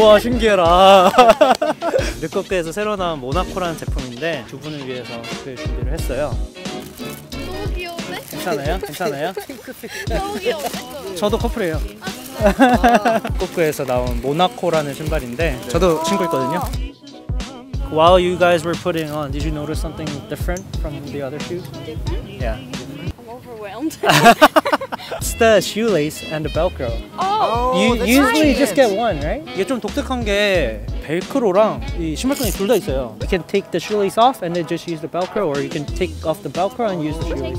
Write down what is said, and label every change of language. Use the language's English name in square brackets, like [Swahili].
[Korean] 우와 신기해라. 르꺼께에서 새로 나온 모나코라는 제품인데 두 분을 위해서 특별히 준비를 했어요. 너무 귀여운데? 괜찮아요? 괜찮아요? 너무 귀여워. 저도 커플이에요. 르꺼께에서 나온 모나코라는 신발인데 저도 신고 있거든요. [English] While you guys were putting on, did you notice something different from the other shoe? Different? Yeah. Overwhelmed. It's the shoelace and the Velcro. Oh, you usually right. just get one, right? [Korean] 이게 좀 독특한 게 벨크로랑 이 신발끈이 둘 다 있어요. [English] You can take the shoelace off and then just use the Velcro, or you can take off the Velcro and use the shoelace.